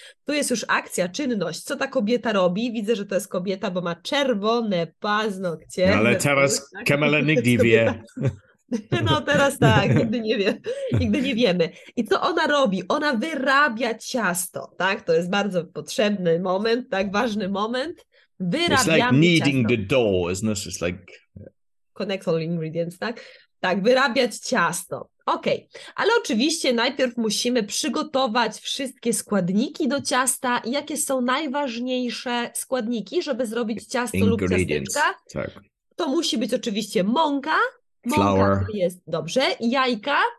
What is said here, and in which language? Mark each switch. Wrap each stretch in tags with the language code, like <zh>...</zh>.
<pl>Tu jest już akcja, czynność. Co ta kobieta robi? Widzę, że to jest kobieta, bo ma czerwone paznokcie. Ale teraz tak? Kamela nigdy wie. No teraz tak, nigdy nie wiem. Nigdy nie wiemy. I co ona robi? Ona wyrabia ciasto, tak? To jest bardzo potrzebny moment, tak? Ważny moment.</pl> <en>It's like kneading the dough, isn't it? It's like... Connect all ingredients,</en> <pl>tak? Tak, wyrabiać ciasto. Okej, okay. Ale oczywiście najpierw musimy przygotować wszystkie składniki do ciasta. Jakie są najważniejsze składniki, żeby zrobić ciasto lub ciasteczka? Tak. To musi być oczywiście mąka.</pl> <en>Flour.</en> <pl>Mąka to jest, dobrze. Jajka.</pl>